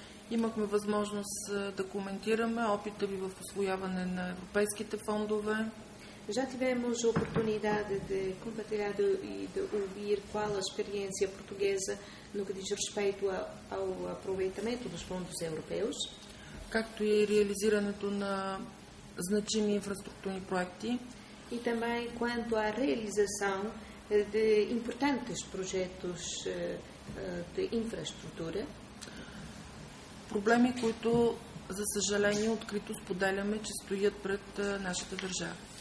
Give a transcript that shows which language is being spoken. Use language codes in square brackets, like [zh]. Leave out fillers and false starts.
[bg] Имахме възможност да коментираме опита ви в освояване на европейските фондове. [pt] Já tivemos a oportunidade de compartilhar e de ouvir qual a experiência portuguesa no que diz respeito ao aproveitamento dos fundos europeus. [bg] Както и реализирането на значими инфраструктурни проекти. [pt] И também quanto à realização de importantes projetos de infraestrutura. [bg] Проблеми, които, за съжаление, открито споделяме, че стоят пред нашата държава.